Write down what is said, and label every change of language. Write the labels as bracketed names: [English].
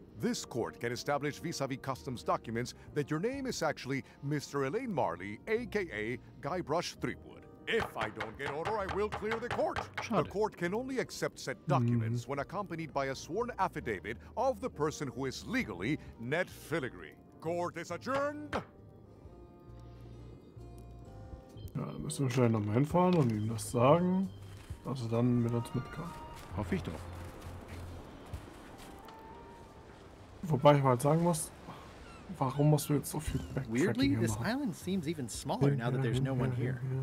[English] This court can establish vis-a-vis customs documents that your name is actually Mr. Elaine Marley, a.k.a. Guybrush Threepwood. If I don't get order, I will clear the court. [German] Schade. [English] The court can only accept said documents when accompanied by a sworn affidavit of the person who is legally Ned Filigree. Court is adjourned. [German] Ja, dann müssen wir schnell nochmal hinfahren und ihm das sagen, dass er dann mit uns mitkommt. Hoffe ich doch. Wobei ich mal sagen muss, warum musst du jetzt so viel Backtracking machen? [English] Weirdly, this island seems even smaller now that there's no one here.